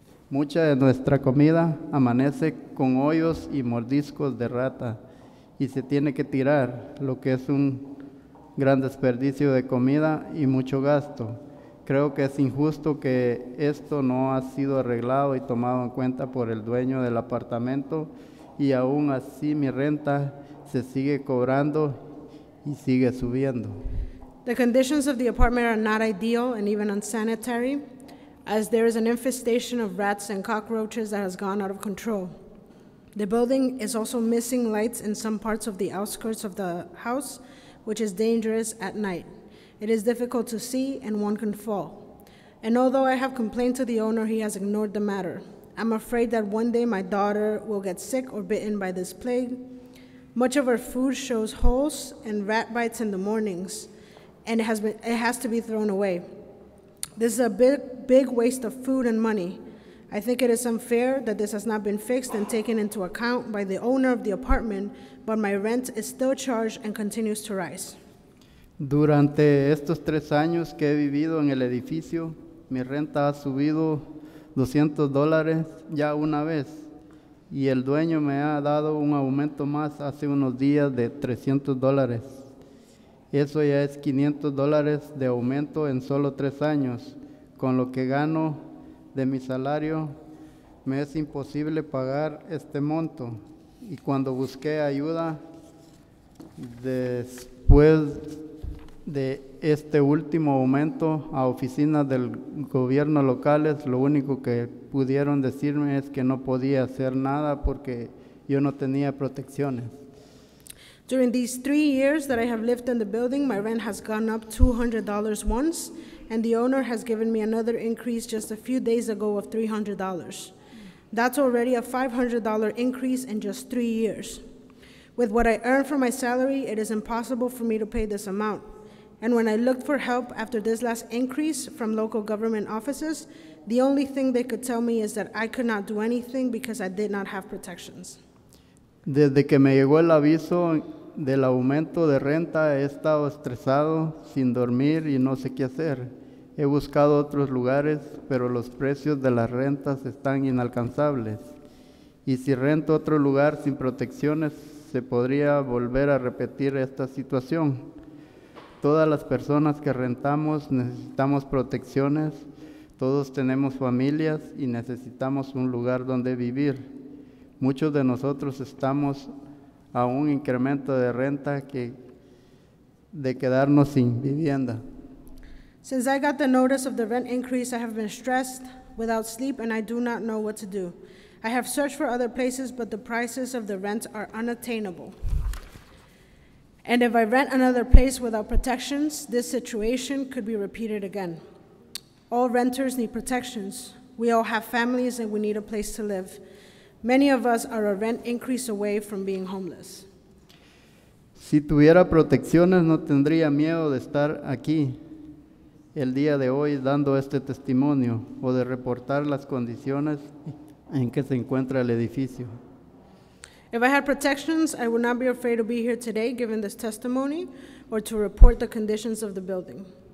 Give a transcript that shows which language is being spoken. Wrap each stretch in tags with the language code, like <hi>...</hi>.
<es>Mucha de nuestra comida amanece con hoyos y mordiscos de rata y se tiene que tirar, lo que es un gran desperdicio de comida y mucho gasto. Creo que es injusto que esto no ha sido arreglado y tomado en cuenta por el dueño del apartamento, y aún así mi renta se sigue cobrando y sigue subiendo.</es> <en>The conditions of the apartment are not ideal and even unsanitary, as there is an infestation of rats and cockroaches that has gone out of control. The building is also missing lights in some parts of the outskirts of the house, which is dangerous at night. It is difficult to see and one can fall. And although I have complained to the owner, he has ignored the matter. I'm afraid that one day my daughter will get sick or bitten by this plague. Much of our food shows holes and rat bites in the mornings, and it has to be thrown away. This is a big, big waste of food and money. I think it is unfair that this has not been fixed and taken into account by the owner of the apartment, but my rent is still charged and continues to rise.</en> <es>Durante estos 3 años que he vivido en el edificio, mi renta ha subido $200 ya una vez, y el dueño me ha dado un aumento más hace unos días de $300. Eso ya es $500 de aumento en solo 3 años. Con lo que gano de mi salario, me es imposible pagar este monto. Y cuando busqué ayuda, después de este último aumento a oficinas del gobierno locales, lo único que pudieron decirme es que no podía hacer nada porque yo no tenía protecciones.</es> <en>During these 3 years that I have lived in the building, my rent has gone up $200 once, and the owner has given me another increase just a few days ago of $300. That's already a $500 increase in just 3 years. With what I earn from my salary, it is impossible for me to pay this amount. And when I looked for help after this last increase from local government offices, the only thing they could tell me is that I could not do anything because I did not have protections.</en> <es>Desde que me llegó el aviso del aumento de renta, he estado estresado, sin dormir y no sé qué hacer. He buscado otros lugares, pero los precios de las rentas están inalcanzables. Y si rento otro lugar sin protecciones, se podría volver a repetir esta situación. Todas las personas que rentamos necesitamos protecciones, todos tenemos familias y necesitamos un lugar donde vivir. Muchos de nosotros estamos a un incremento de renta que de quedarnos sin vivienda.</es> <en>Since I got the notice of the rent increase, I have been stressed, without sleep, and I do not know what to do. I have searched for other places, but the prices of the rent are unattainable. And if I rent another place without protections, this situation could be repeated again. All renters need protections. We all have families and we need a place to live. Many of us are a rent increase away from being homeless.</en> <es>Si tuviera protecciones, no tendría miedo de estar aquí el día de hoy dando este testimonio o de reportar las condiciones en que se encuentra el edificio.</es> <en>If I had protections, I would not be afraid to be here today giving this testimony or to report the conditions of the building.</en>